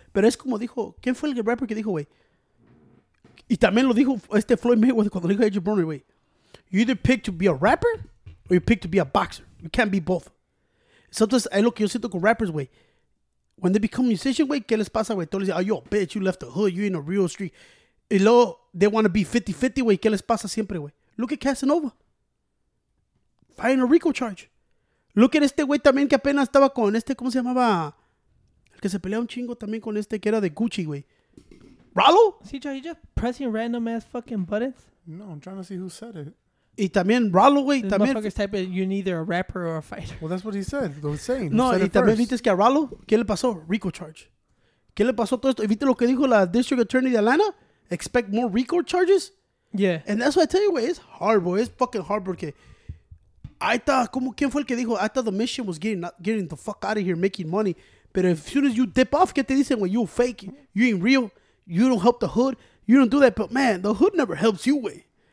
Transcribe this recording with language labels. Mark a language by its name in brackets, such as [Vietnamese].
[Spanish] Pero es como dijo, ¿quién fue el rapper que dijo, güey? Y también lo dijo este Floyd Mayweather cuando dijo Edge Bronner, güey. [English] You either pick to be a rapper or you pick to be a boxer. You can't be both. Sometimes, [Spanish] es lo que yo siento con rappers, güey. [English] When they become musicians, güey, [Spanish] ¿qué les pasa, güey? Todos dicen, [English] oh, yo, bitch, you left the hood, you in a real street. [Spanish] Y luego, [English] they want to be 50-50, güey, [Spanish] ¿qué les pasa siempre, güey? [English] Look at Casanova. Firing a Rico charge. Look at [Spanish] este güey también que apenas estaba con este, ¿cómo se llamaba? El que se pelea un chingo también con este que era de Gucci, güey. ¿Rallo? [English] See, Joe, you just pressing random ass fucking buttons? No, I'm trying to see who said it. [Spanish] Y también Rallo, güey, también. [English] Motherfuckers type in, you're neither a rapper or a fighter. Well, that's what he said. What he's saying. No, said [Spanish] y también viste que a Rallo, ¿qué le pasó? Rico charge. ¿Qué le pasó todo esto? ¿Y viste lo que dijo la District Attorney de Atlanta? [English] Expect more Rico charges? Yeah. And that's what I tell you, güey. It's hard, boy. It's fucking hard [Spanish] porque [English] I thought, [Spanish] ¿cómo? ¿Quién fue el que dijo? [English] I thought the mission was getting the fuck out of here, making money. But as soon as you dip off, [Spanish] ¿qué te dicen, güey? [English] You fake. You ain't real. You don't help the hood. You don't do that. But man, the hood never helps you, güey.